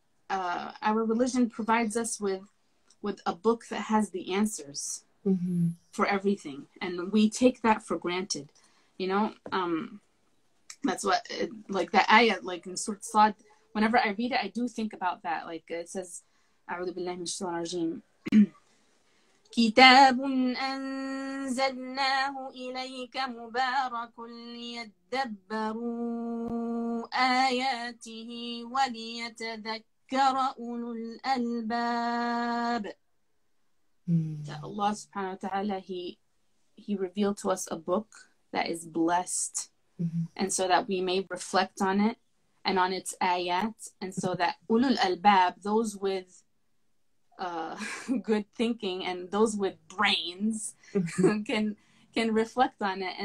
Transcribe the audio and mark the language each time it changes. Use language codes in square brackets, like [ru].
[en] Our religion provides us with a book that has the answers for everything. And we take that for granted, that's what, like that ayah, like in Surah Sad, whenever I read it, I do think about that. Like it says, [ar] A'udhu billahi minash shaitanir rajeem. كتاب أنزلناه إليك مبارك ليدبروا آياته وليتذكر أولو الألباب. [en] That Allah subhanahu wa ta'ala, he revealed to us a book that is blessed, and so that we may reflect on it and on its ayat, and so that ulul albab, those with good thinking and those with brains can reflect on it.